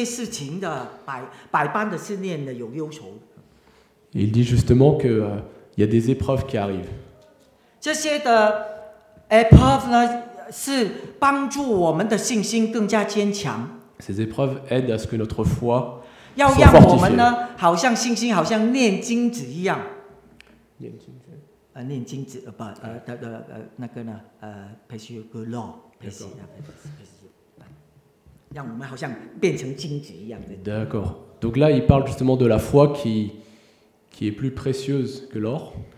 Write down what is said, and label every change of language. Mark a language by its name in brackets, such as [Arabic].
[Chinese] 他讲到呢，我们基督徒呢，在世上会遇见这些事情的百般的试炼的有忧愁。 [French] Et il dit justement que il y a des épreuves qui arrivent. [Chinese] 这些的épreuves呢，是帮助我们的信心更加坚强。 [French] Ces épreuves aident à ce que notre foi soit fortifiée. [Chinese] 要让我们呢，好像信心好像炼金子一样。炼金子，炼金子，不，那个呢，培修格洛，培修，让我们好像变成金子一样的。 [French] D'accord. Donc là, il parle justement de la foi qui est plus précieuse que l'or.